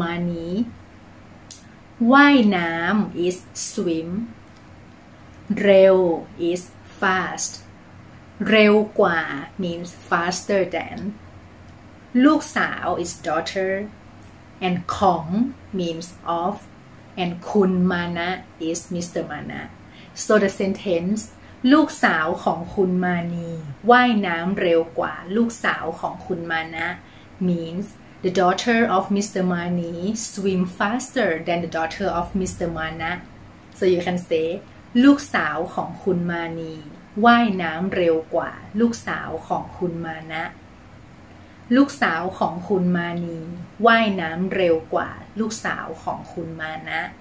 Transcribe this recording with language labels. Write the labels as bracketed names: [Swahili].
[English] มานีว่ายน้ำ is swim เร็ว is fast เร็วกว่า means faster than ลูกสาว is daughter and ของ means ofAnd คุณมานะ is Mr. มานะ So the sentence [Thai] ลูกสาวของคุณมานีว่ายน้ำเร็วกว่าลูกสาวของคุณมานะ [English] means the daughter of Mr. Mani swim faster than the daughter of Mr. Mana So you can say [Thai] ลูกสาวของคุณมานีว่ายน้ำเร็วกว่าลูกสาวของคุณมานะลูกสาวของคุณมานีว่ายน้ำเร็วกว่าลูกสาวของคุณมานะ